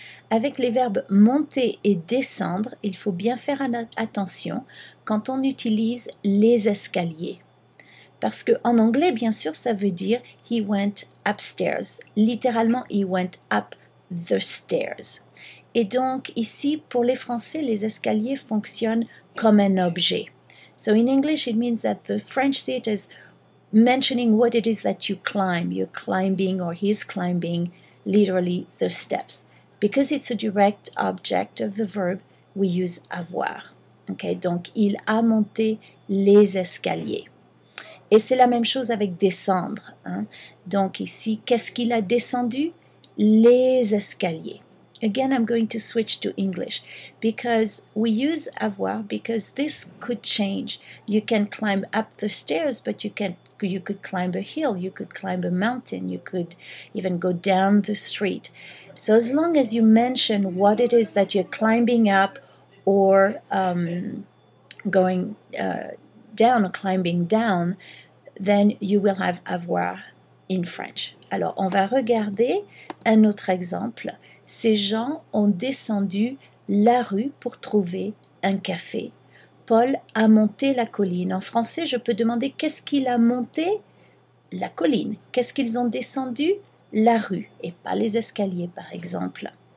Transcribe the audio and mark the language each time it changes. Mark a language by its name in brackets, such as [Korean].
[French] Avec les verbes monter et descendre, il faut bien faire attention quand on utilise les escaliers. Parce que en anglais, bien sûr, ça veut dire « [English] he went upstairs ». [French] Littéralement, [English] « he went up the stairs ». [French] Et donc, ici, pour les Français, les escaliers fonctionnent comme un objet. [English] So, in English, it means that the French see it as mentioning what it is that you climb. You're climbing or he's climbing, literally, the steps. Because it's a direct object of the verb, we use avoir. [French] Okay, donc, il a monté les escaliers. Et c'est la même chose avec descendre. Hein? Donc ici, qu'est-ce qu'il a descendu? Les escaliers. [English] Again, I'm going to switch to English. Because we use avoir because this could change. You can climb up the stairs, but you could climb a hill. You could climb a mountain. You could even go down the street. So as long as you mention what it is that you're climbing up or going down or climbing down, then you will have avoir in French. [French] Alors, on va regarder un autre exemple. Ces gens ont descendu la rue pour trouver un café. Paul a monté la colline. En français, je peux demander qu'est-ce qu'il a monté? La colline. Qu'est-ce qu'ils ont descendu? La rue et pas les escaliers, par exemple.